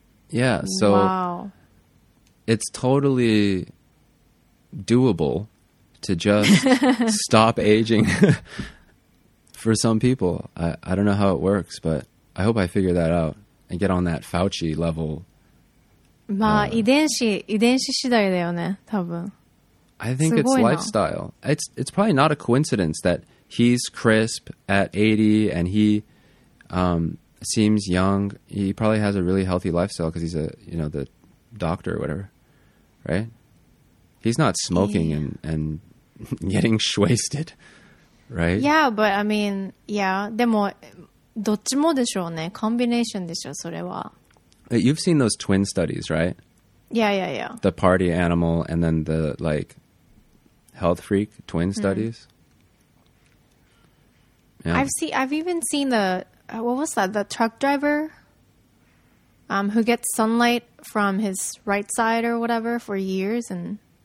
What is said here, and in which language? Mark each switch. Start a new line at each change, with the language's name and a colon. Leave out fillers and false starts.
English: Yeah, so wow. It's totally doable to just stop aging for some people. I don't know how it works, but I hope I figure that out and get on that Fauci level.
Japanese: まあ、遺伝子次第だよね、多分。
English: I think it's lifestyle. It's probably not a coincidence that he's crisp at 80 and he... seems young. He probably has a really healthy lifestyle because he's a, you know, the doctor or whatever, right? He's not smoking and getting shwasted, right? Yeah, but I mean, yeah.
Japanese: でもどっちもでしょうね。コンビネーションでしょ、それは。
English: You've seen those twin studies, right? Yeah, yeah, yeah. The party animal and then the like health freak twin studies. Yeah. I've even seen the what was that? The truck driver who gets sunlight from his right side or whatever for years and...